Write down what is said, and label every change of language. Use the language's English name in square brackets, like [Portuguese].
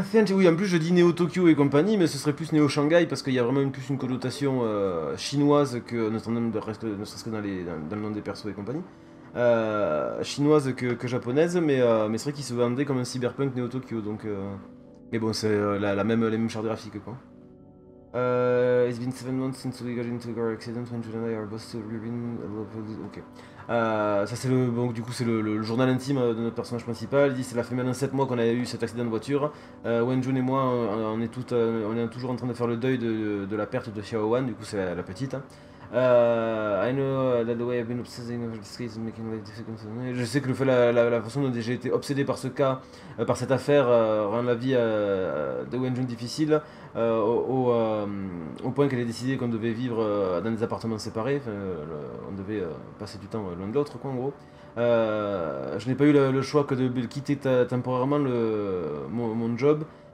[French] Oui, en plus, je dis Neo Tokyo et compagnie. Mais ce serait plus Neo Shanghai. Parce qu'il y a vraiment plus une connotation chinoise que. Ne serait-ce que dans le nom des persos et compagnie. Chinoise que japonaise. Mais c'est vrai qu'il se vendait comme un cyberpunk Neo Tokyo. Donc. Mais bon, c'est les mêmes chars graphiques, quoi. [English] It's been 7 months since we got into our accident when Julian and I are both still living. [French] Ok. Ça, c'est le. Bon, du coup, c'est le journal intime de notre personnage principal. Il dit ça fait maintenant 7 mois qu'on a eu cet accident de voiture. Wen Jun et moi, on est toujours en train de faire le deuil de la perte de Xiao Wan, du coup, c'est la petite. [English] I know that the way I've been obsessing over this case is making life difficult. [French] Je sais que le fait, la façon dont j'ai été obsédé par ce cas, par cette affaire, rend la vie de Wenjun difficile, au point qu'elle a décidé qu'on devait vivre dans des appartements séparés, on devait passer du temps l'un de l'autre, quoi, en gros. Je n'ai pas eu le choix que de quitter temporairement mon job.